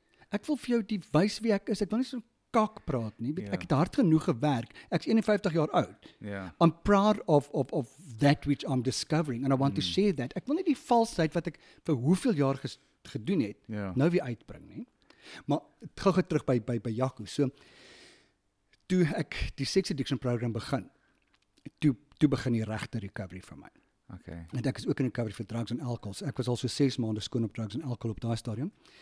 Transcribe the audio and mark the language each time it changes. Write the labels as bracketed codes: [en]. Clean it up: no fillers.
[af] Ek wil vir jou die wys wie ek is. Ek wil nie so kak praat nie. Ek het hard genoeg gewerk. Ek is 51 jaar oud. [en] Yeah. I'm proud of that which I'm discovering and I want to share that. [af] Ek wil nie die valsheid wat ek vir hoeveel jaar gedoen het nou weer uitbring nie. Maar gou terug by Jaco. So toe ek die sex addiction program begin, toe begin die regte recovery vir my. Okay. En ek is ook in recovery vir drugs en alcohol. So ek was al so 6 maande skoon op drugs en alcohol op daai stadium.